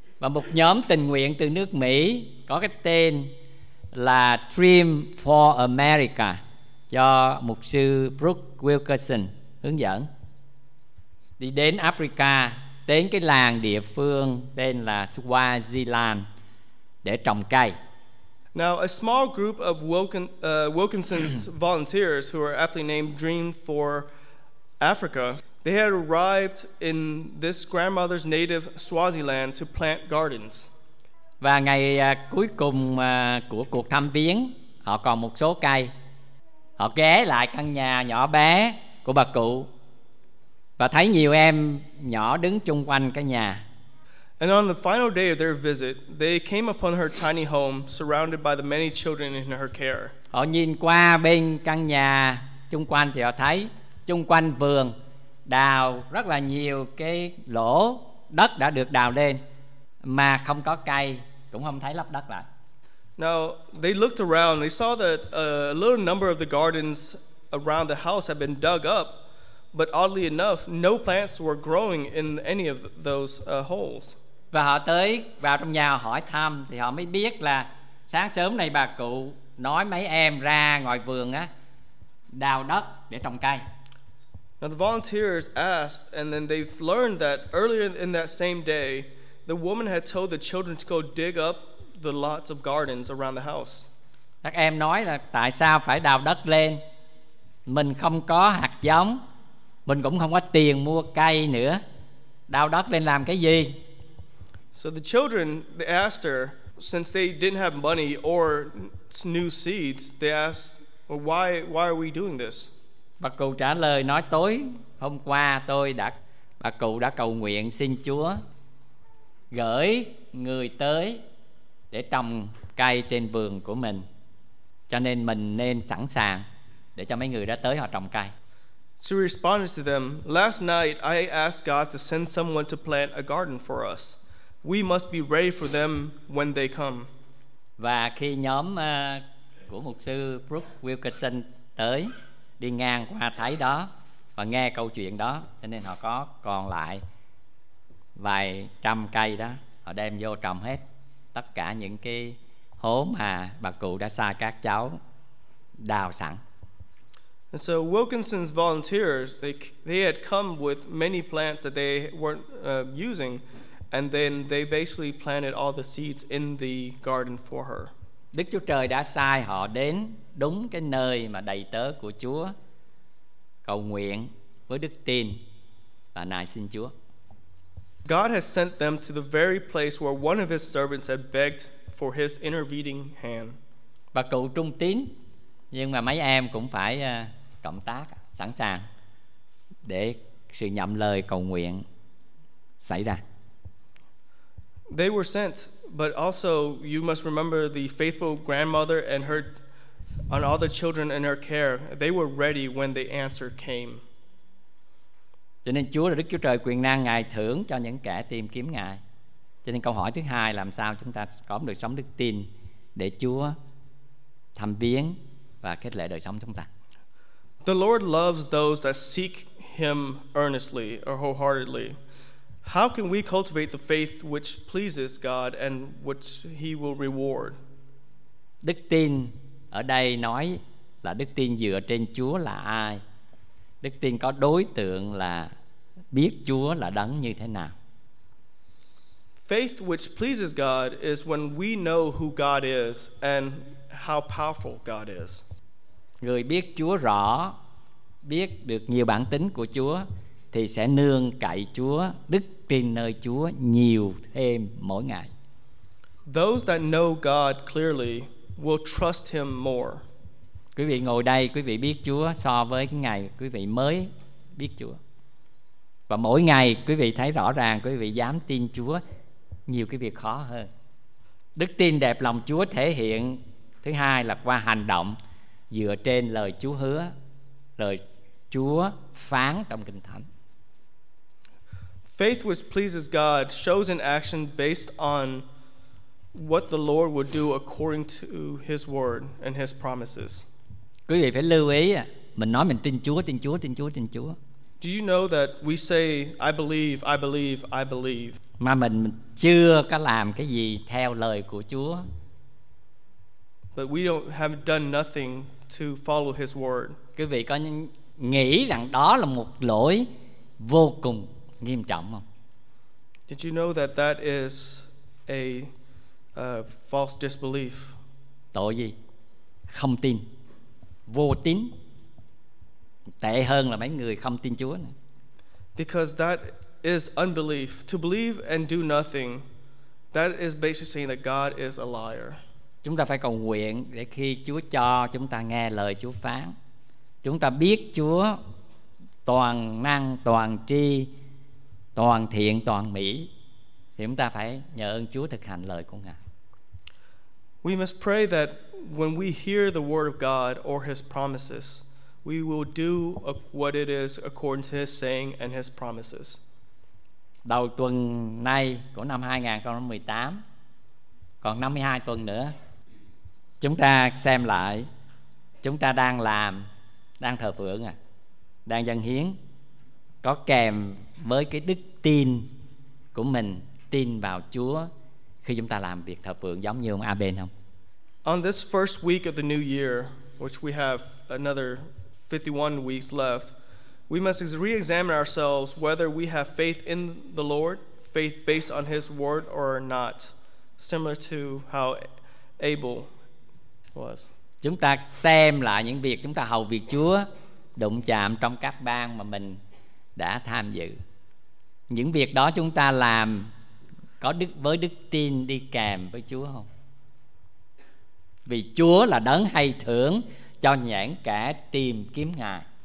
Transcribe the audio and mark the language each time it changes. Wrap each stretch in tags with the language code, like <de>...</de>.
<vi>Và một nhóm tình nguyện từ nước Mỹ có cái tên là Dream for America cho mục sư Brooke Wilkinson hướng dẫn. Đi đến Africa, đến cái làng địa phương tên là Swaziland để trồng cây.</vi> <en>Now, a small group of Wilkinson's volunteers, who are aptly named Dream for Africa, they had arrived in this grandmother's native Swaziland to plant gardens.</en> <vi>Và ngày cuối cùng của cuộc thăm viếng, họ còn một số cây. Họ ghé lại căn nhà nhỏ bé của bà cụ và thấy nhiều em nhỏ đứng chung quanh cái nhà.</vi> <en>And on the final day of their visit, they came upon her tiny home surrounded by the many children in her care.</en> <vi>Họ nhìn qua bên căn nhà chung quanh thì họ thấy chung quanh vườn đào rất là nhiều cái lỗ đất đã được đào lên mà không có cây, cũng không thấy lấp đất lại.</vi> <en>Now, they looked around. They saw that a little number of the gardens around the house had been dug up, but oddly enough, no plants were growing in any of those holes.</en> <vi>Và họ tới vào trong nhà hỏi thăm thì họ mới biết là sáng sớm này bà cụ nói mấy em ra ngoài vườn á đào đất để trồng cây.</vi> <en>Now the volunteers asked, and then they learned that earlier in that same day, the woman had told the children to go dig up the lots of gardens around the house.</en> <vi>Các em nói là tại sao phải đào đất lên? Mình không có hạt giống, mình cũng không có tiền mua cây nữa. Đào đất lên làm cái gì?</vi> <en>So the children, they asked her, since they didn't have money or new seeds, they asked, well, why are we doing this?</en> <vi>Bà cụ trả lời nói tối hôm qua bà cụ đã cầu nguyện xin Chúa gửi người tới để trồng cây trên vườn của mình. Cho nên mình nên sẵn sàng để cho mấy người đã tới họ trồng cây.</vi> <en>She responded to them, last night I asked God to send someone to plant a garden for us. We must be ready for them when they come.</en> <vi>Và khi nhóm của mục sư Brooke Wilkinson tới, đi ngang qua thấy đó và nghe câu chuyện đó, cho nên họ có còn lại vài trăm cây đó, họ đem vô trồng hết tất cả những cái hố mà bà cụ đã sai các cháu đào sẵn.</vi> <en>And so Wilkinson's volunteers, they had come with many plants that they weren't using, and then they basically planted all the seeds in the garden for her.</en> <vi>Đức Chúa Trời đã sai họ đến đúng cái nơi mà đầy tớ của Chúa cầu nguyện với đức tin và nài xin Chúa.</vi> <en>God has sent them to the very place where one of his servants had begged for his intervening hand.</en> <vi>Bà cụ trung tín, nhưng mà mấy em cũng phải cộng tác, sẵn sàng để sự nhậm lời cầu nguyện xảy ra.</vi> <en>They were sent, but also you must remember the faithful grandmother and her and all the children in her care. They were ready when the answer came.</en> <vi>Cho nên Chúa là Đức Chúa Trời quyền năng, Ngài thưởng cho những kẻ tìm kiếm Ngài. Cho nên câu hỏi thứ hai, làm sao chúng ta có được sống đức tin để Chúa thăm viếng và khích lệ đời sống chúng ta.</vi> <en>The Lord loves those that seek him earnestly or wholeheartedly. How can we cultivate the faith which pleases God and which he will reward?</en> <vi>Đức tin ở đây nói là đức tin dựa trên Chúa là ai? Đức tin có đối tượng là biết Chúa là đấng như thế nào.</vi> <en>Faith which pleases God is when we know who God is and how powerful God is.</en> <vi>Người biết Chúa rõ, biết được nhiều bản tính của Chúa thì sẽ nương cậy Chúa, đức tin nơi Chúa nhiều thêm mỗi ngày.</vi> <en>Those that know God clearly will trust him more.</en> <vi>Quý vị ngồi đây, quý vị biết Chúa so với cái ngày quý vị mới biết Chúa. Và mỗi ngày quý vị thấy rõ ràng quý vị dám tin Chúa nhiều cái việc khó hơn. Đức tin đẹp lòng Chúa thể hiện thứ hai là qua hành động dựa trên lời Chúa hứa, lời Chúa phán trong Kinh Thánh.</vi> <en>Faith which pleases God shows an action based on what the Lord would do according to his word and his promises.</en> <vi>Quý vị phải lưu ý, mình nói mình tin Chúa, tin Chúa, tin Chúa, tin Chúa.</vi> <en>Do you know that we say I believe, I believe, I believe?</en> <vi>Mà mình chưa có làm cái gì theo lời của Chúa.</vi> <en>But we don't have done nothing to follow his word.</en> <vi>Quý vị có nghĩ rằng đó là một lỗi vô cùng nghiêm trọng không?</vi> <en>Did you know that that is a false disbelief?</en> <vi>Tội gì? Không tin. Vô tín. Tệ hơn là mấy người không tin Chúa này.</vi> <en>Because that is unbelief. To believe and do nothing, that is basically saying that God is a liar.</en> <vi>Chúng ta phải cầu nguyện để khi Chúa cho chúng ta nghe lời Chúa phán, chúng ta biết Chúa toàn năng, toàn tri, toàn thiện, toàn mỹ, thì chúng ta phải nhờ ơn Chúa thực hành lời của Ngài.</vi> <en>We must pray that when we hear the word of God or his promises, we will do what it is according to his saying and his promises.</en> <vi>Đầu tuần này của năm 2018, còn 52 tuần nữa, chúng ta xem lại chúng ta đang làm, đang thờ phượng à, đang dâng hiến có kèm với cái đức tin của mình, tin vào Chúa khi chúng ta làm việc thờ phượng giống như ông Aben không?</vi> <en>On this first week of the new year, which we have another 51 weeks left, we must re-examine ourselves whether we have faith in the Lord, faith based on his word or not, similar to how Abel was.</en> <vi>Chúng ta xem lại những việc chúng ta hầu việc Chúa, đụng chạm trong các ban mà mình đã tham dự. Những việc đó chúng ta làm có đức, với đức tin đi kèm với Chúa không? Vì Chúa là đấng hay thưởng cho nhãn kẻ tìm kiếm Ngài.</vi>